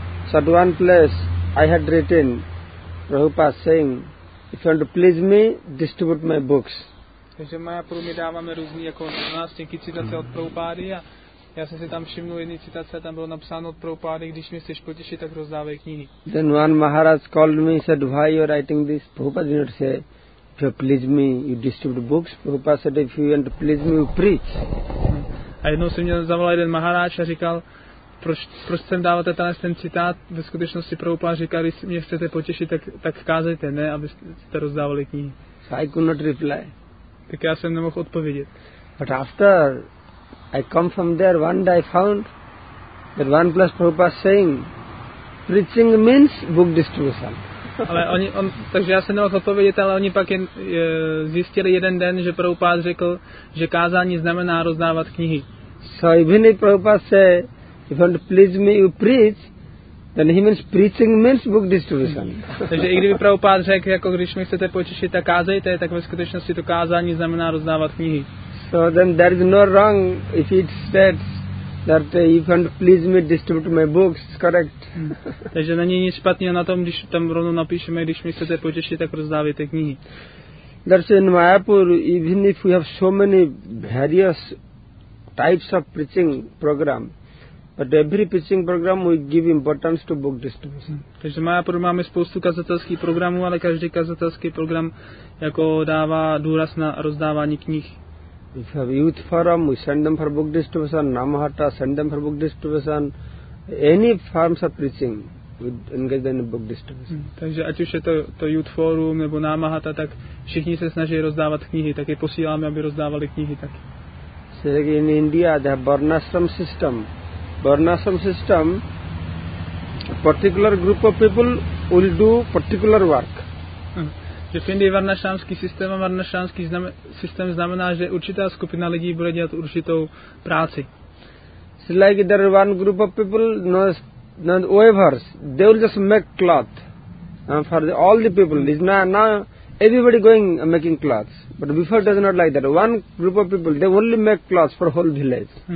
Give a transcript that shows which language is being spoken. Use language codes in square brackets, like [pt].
[en] So at one place, I had written Prabhupada saying, if you want to please me, distribute my books. [cs] Takže v Mayapuru my dáváme různý, jako nástěnky citace od Prabhupády a já jsem si tam všimnul jedné citace, tam bylo napsáno od Prabhupády, když mě chceš potěšit, tak rozdávej knihy. [en] Then one Maharaj called me, said, why you are writing this? Prabhupada did not say, if you please me, you distribute books. Prabhupada said, if you want to please me, you preach. [cs] A jednou se mě zavolal jeden Maharaj a říkal, proč sem dáváte ten citát? Ve skutečnosti Prabhupada říká, když mě chcete potěšit, tak kázejte, ne, abyste rozdávali knihy. [en] So I could not reply. [cs] Tak já jsem nemohl odpovědět. [en] But after I come from there, one day I found that one plus Prabhupada saying, preaching means book distribution. [cs] Ale takže já jsem nemohl odpovědět, ale oni pak zjistili jeden den, že Prabhupada řekl, že kázání znamená rozdávat knihy. [en] So even if Prabhupada say, if you want to please me, you preach, then he means preaching means book distribution. [cs] Takže i kdyby Prabhupada řekl, jako když mi chcete počešit, tak kázejte, tak ve skutečnosti to kázání znamená rozdávat knihy. [en] So then there is no wrong if it states that if you please me distribute my books, it's correct. [cs] Takže není nic špatného na tom, když tam rovnou napíšeme, když mi chcete potěšit, tak rozdávajte knihy. [en] That's in Mayapur, even if we have so many various types of preaching program, but every preaching program we give importance to book distribution. [cs] Takže v Mayapur máme spoustu kazatelských programů, ale každý kazatelský program jako dává důraz na rozdávání knih. [en] If you have youth forum, we send them for book distribution. Namahata, send them for book distribution. Any forms of preaching, we engage them in book distribution. [cs] Takže ať už je to youth forum nebo Namahata, tak všichni se snaží rozdávat knihy, tak je posíláme, aby rozdávali knihy taky. [en] So like in India, they have Varnashram system. Varnashram system, particular group of people will do particular work. [cs] Že v Indii varnašrámský systém a varnašrámský systém znamená, že určitá skupina lidí bude dělat určitou práci. [en] So like there is one group of people, not weavers, they will just make cloth for all the people. It's now everybody going making cloths, but before it was not like that. One group of people, they only make cloths for whole village.